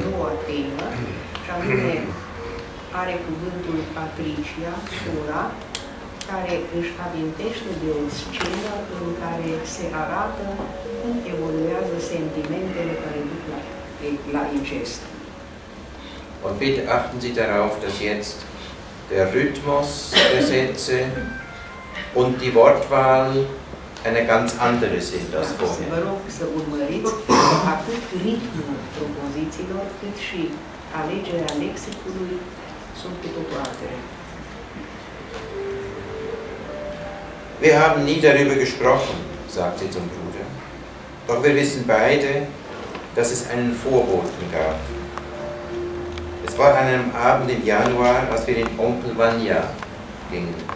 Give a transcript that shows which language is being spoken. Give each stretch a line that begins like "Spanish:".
Romanian: Are cuvântul Patricia, sora, care își amintește de o scenă în care se arată cum evoluează sentimentele care duc la incest.
German: Und bitte achten Sie darauf, dass jetzt der Rhythmus der Sätze und die Wortwahl eine ganz andere sind als vorher.
Romanian: Vă rog să urmăriți atât ritmul propozițiilor, cât și alegerea lexicului sunt cu totul altele.
German: Wir haben nie darüber gesprochen, sagt sie zum Bruder. Doch wir wissen beide, dass es einen Vorboten gab. Es war an einem Abend im Januar, als wir den Onkel Vanya gingen.